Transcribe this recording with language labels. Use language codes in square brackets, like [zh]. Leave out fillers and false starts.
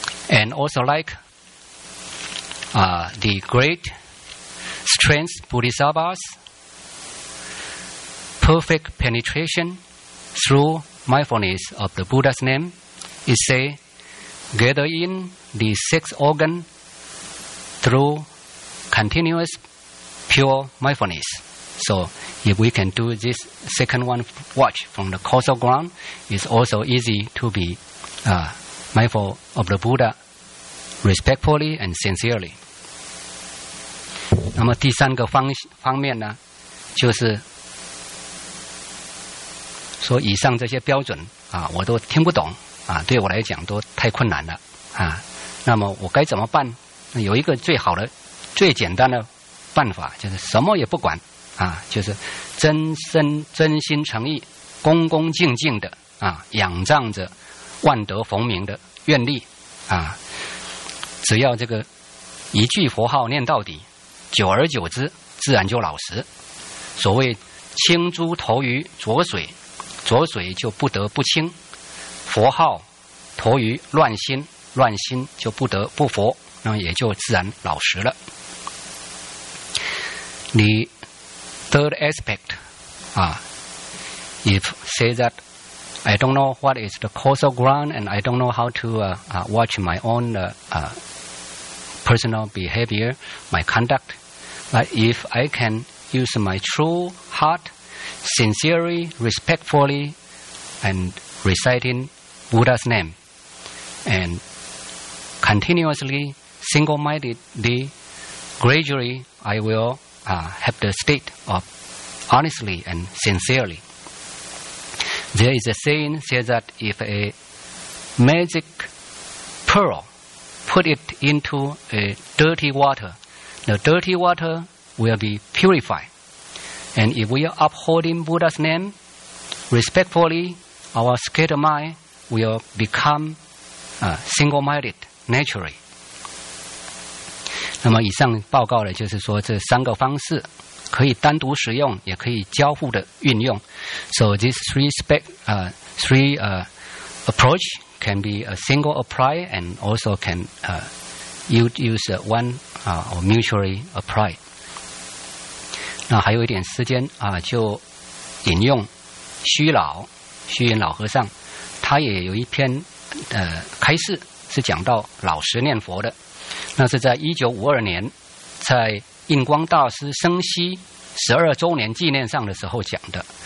[en] And also like the great strength bodhisattvas, perfect penetration through mindfulness of the Buddha's name, it say, gather in the six organs through continuous pure mindfulness. So if we can do this second one watch from the causal ground, it's also easy to be mindful of the Buddha respectfully and sincerely. [zh] 那么第三个方面呢，就是说以上这些标准我都听不懂对我来讲都太困难了那么我该怎么办？有一个最好的、最简单的办法，就是什么也不管就是真心诚意、恭恭敬敬的仰仗着万德洪明的愿力只要这个一句佛号念到底，久而久之，自然就老实。所谓清珠投于浊水，浊水就不得不清；佛号投于乱心，乱心就不得不佛，那也就自然老实了。 [en] The third aspect, if say that I don't know what is the causal ground and I don't know how to watch my own personal behavior, my conduct, but if I can use my true heart, sincerely, respectfully, and reciting Buddha's name, and continuously, single-mindedly, gradually, I will have the state of honestly and sincerely. There is a saying says that if a magic pearl put it into a dirty water, the dirty water will be purified. And if we are upholding Buddha's name respectfully, our scattered mind will become single-minded naturally. [zh] 那么以上报告呢，就是说这三个方式可以单独使用，也可以交互的运用。 [en] So these three approach can be a single apply and also can use one or mutually apply. [zh] 那还有一点时间啊，就引用虚云老和尚，他也有一篇开示是讲到老实念佛的。那是在1952年，在印光大师生息12周年纪念上的时候讲的。